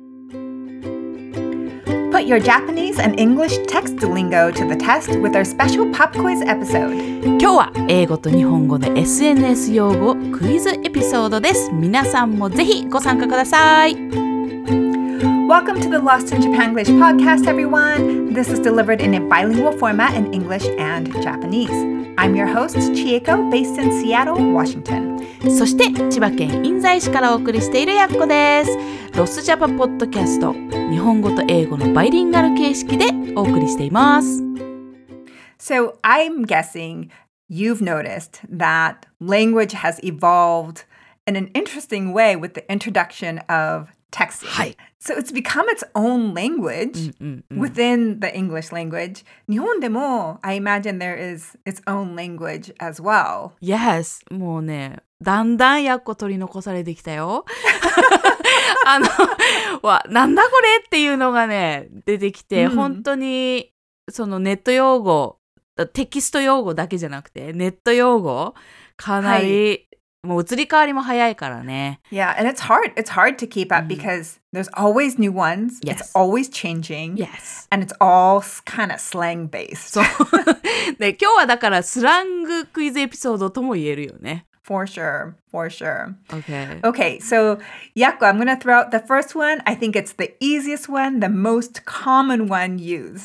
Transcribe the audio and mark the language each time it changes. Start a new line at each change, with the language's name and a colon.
English: put your Japanese and English text lingo to the test with our special pop quiz episode.
Japanese: 今日は英語と日本語の SNS 用語クイズエピソードです。皆さんもぜひご参加ください。
English: Welcome to the Lost in Japan English podcast, everyone. This is delivered in a bilingual format in English and Japanese. I'm your host, Chieko, based in Seattle, Washington.
Japanese: そして千葉県印西市からお送りしているやっこです。ロスジャパポッドキャスト、日本語と英語のバイリンガル形式でお送りしています。
English: So I'm guessing you've noticed that language has evolved in an interesting way with the introduction of texting.
Japanese: はい。
English: So it's become its own language within the English language.
Japanese: 日本でも
English: I imagine there is its own language as well.
Japanese: Yes, もうね、だんだんやっこ取り残されてきたよ。あの、わ、なんだこれっていうのがね、出てきて、本当にそのネット用語、テキスト用語だけじゃなくて、ネット用語、かなり、もう移り変わりも早いからね。
English: Yeah, and it's hard to keep up because there's always new ones. Yes. It's always changing. Yes. And it's all kind of slang based.
Japanese: そう。で、今日はだからスラングクイズエピソードとも言えるよね。
English: For sure, for sure. Okay. Okay, so Yakko, I'm going to throw out the first one. I think it's the easiest one, the most common one used.